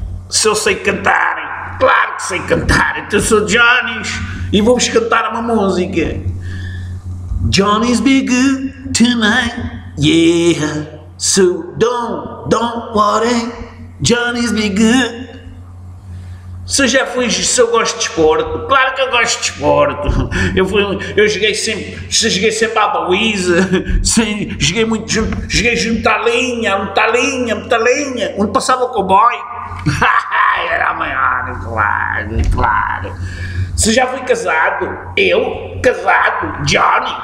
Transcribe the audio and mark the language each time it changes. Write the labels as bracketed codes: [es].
[pt] Se eu sei cantar, claro que sei cantar. Então, sou Johnny e vou-vos cantar uma música. [en] Johnny's big tonight. Yeah, so don't worry, Johnny's big. [pt] Se eu já fui, se eu gosto de esporte, claro que eu gosto de esporte. Eu joguei sempre à baliza, joguei muito, joguei junto à linha, muita linha, onde passava o comboio. Era maior, claro. Você já foi casado? Eu? Casado? Johnny?